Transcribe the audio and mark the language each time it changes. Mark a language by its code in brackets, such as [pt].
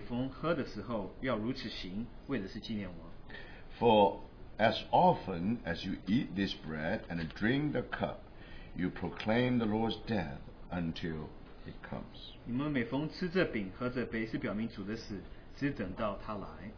[zh] 饭后也照拿起杯来说，这杯是用我的血所立的新约，你们每逢喝的时候要如此行，为的是纪念我。 [en] For as often as you eat this bread and drink the cup, you proclaim the Lord's death until he comes. [zh] 你们每逢吃这饼喝这杯，是表明主的死，只等到他来。